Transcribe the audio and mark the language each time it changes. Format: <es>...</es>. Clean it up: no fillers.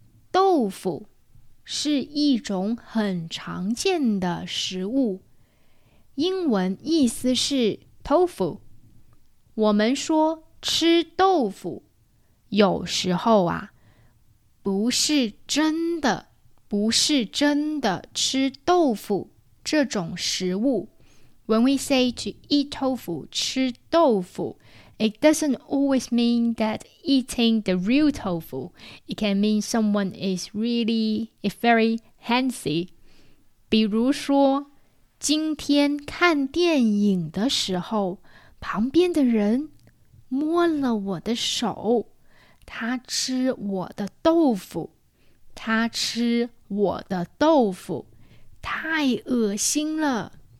<zh>豆腐是一种很常见的食物，英文意思是 tofu。我们说吃豆腐，有时候啊，不是真的吃豆腐这种食物。</zh> <en>When we say to eat tofu, 吃豆腐, it doesn't always mean that eating the real tofu. It can mean someone is really, is very handsy.</en> <zh>比如说,今天看电影的时候,旁边的人摸了我的手,他吃我的豆腐,他吃我的豆腐,太恶心了。</zh>